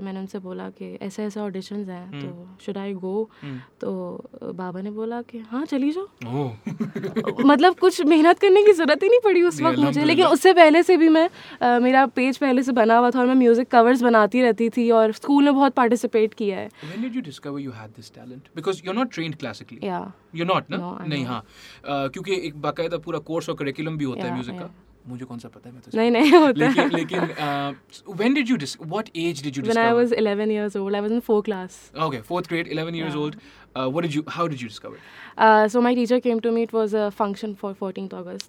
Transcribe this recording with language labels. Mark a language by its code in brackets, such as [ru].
[hi] मैंने उनसे बोला कि ऐसे ऐसे ऑडिशंस हैं, तो [en] Should I go. [hi] तो बाबा ने बोला कि हाँ चली जाओ. मतलब कुछ मेहनत करने की ज़रूरत ही नहीं पड़ी उस वक्त मुझे. लेकिन उससे पहले से भी मैं, मेरा पेज पहले से बना हुआ था और मैं म्यूज़िक कवर्स बनाती रहती थी और स्कूल में बहुत पार्टिसिपेट किया है. [en] When did you discover you had this talent? Because you're not trained classically. Yeah. You're not, no? No, [hi] नहीं, हाँ. क्योंकि एक बाकायदा पूरा कोर्स और करिकुलम भी होता है म्यूज़िक का. मुझे कौन सा पता है, मैं तो नहीं नहीं होता. लेकिन [en] When did you dis, what age did you discover? When I was 11 years old, I was in fourth class. Okay, fourth grade, 11 years old. What did you, how did you discover? So my teacher came to me, it was a function for 14th August.